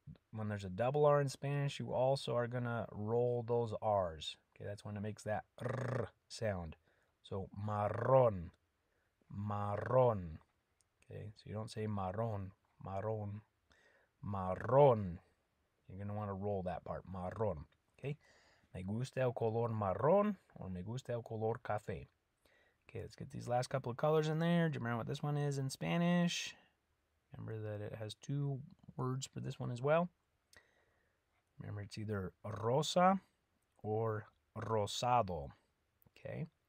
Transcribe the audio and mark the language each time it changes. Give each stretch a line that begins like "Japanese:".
English: When there's a double R in Spanish, you also are gonna roll those R's. Okay, that's when it makes that R sound. So marrón, marrón. Okay, so you don't say marrón, marrón. Marrón. You're going to want to roll that part. Marrón. Okay.
Spanish: Me gusta el color marrón or me gusta el color café.
English: Okay, let's get these last couple of colors in there. Do you remember what this one is in Spanish? Remember that it has two words for this one as well. Remember it's either rosa or rosado. Okay.